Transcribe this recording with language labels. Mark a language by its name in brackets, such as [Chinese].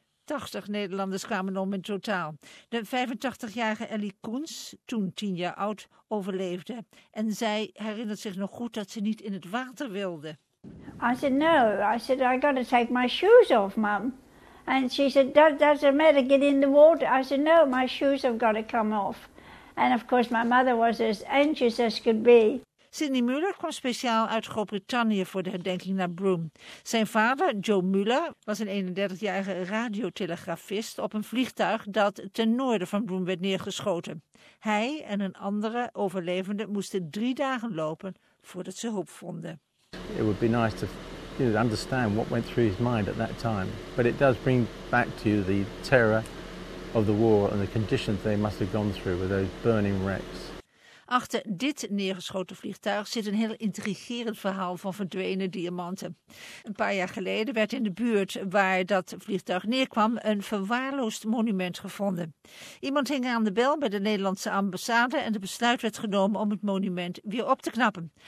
[Dutch] 80 Nederlanders kwamen om in totaal. De 85-jarige Ellie Koens, toen 10 jaar oud, overleefde. En zij herinnert zich nog goed dat ze niet in het water wilde. [English] I said, no. I said, I got to take my shoes off, Mum. And she said, that doesn't matter, get in the water. I said, no, my shoes have got to come off. And of course, my mother was as anxious as could be. [Dutch] Sidney Muller kwam speciaal uit Groot-Brittannië voor de herdenking naar Broome. Zijn vader, Joe Muller, was een 31-jarige radiotelegrafist op een vliegtuig dat ten noorden van Broome werd neergeschoten. Hij en een andere overlevende moesten 3 dagen lopen voordat ze hulp vonden. [English] It would be nice to understand what went through his mind at that time. But it does bring back to you the terror of the war and the conditions they must have gone through with those burning wrecks. [Dutch] Achter dit neergeschoten vliegtuig zit een heel intrigerend verhaal van verdwenen diamanten. Een paar jaar geleden werd in de buurt waar dat vliegtuig neerkwam een verwaarloosd monument gevonden. Iemand hing aan de bel bij de Nederlandse ambassade en de besluit werd genomen om het monument weer op te knappen.